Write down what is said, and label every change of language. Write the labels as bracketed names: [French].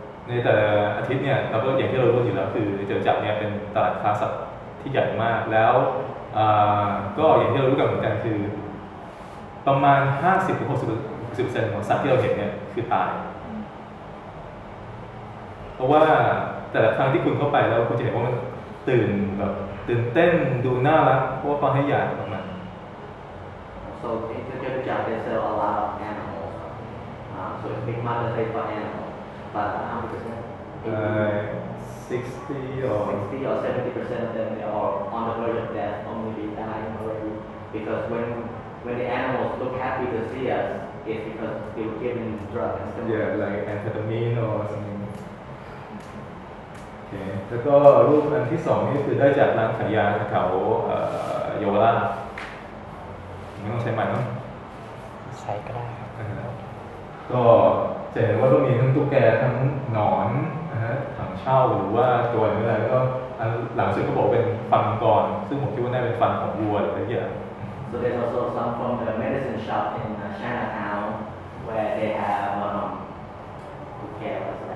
[Thai] ในแต่อาทิตย์เนี่ยเราก็อย่างที่เรารู้อยู่แล้วคือเจอจับเนี่ยเป็นตลาดค้าสัตว์ที่ใหญ่มากแล้วก็อย่างที่เรารู้กันเหมือนกันคือประมาณ 50-60% ของสัตว์ที่เราเห็นเนี่ยคือตายเพราะว่าแต่ละครั้งที่คุณเข้าไปแล้วคุณจะเห็นว่ามันตื่นแบบตื่นเต้นดูน่ารักเพราะว่าความให้ยาของมัน [English] so in Jogja they sell a lot of animals so it's big market for animals but how much is that 60 or 70% of them they are on the verge of death or maybe dying already because when the animals look happy to see us it's because they were given drugs yeah like amphetamine or something [Thai] แล้วก็รูปอันที่สองนี่คือได้จากร้านขายยาแถวโยวราชไม่ต้องใช้ใหม่เนาะ ใช้ก็ได้ครับ ก็จะเห็นว่ารูปมีทั้งตุ๊กแกทั้งหนอนนะฮะถังเช่าหรือว่าตัวอะไรก็หลังสุดก็บอกเป็นฟันก่อนซึ่งผมคิดว่าน่าเป็นฟันของวัวหรืออะไรอย่าง [English] so there's also some from the medicine shop in Chinatown where they have one of [Thai] ตุ๊กแกว่าแบ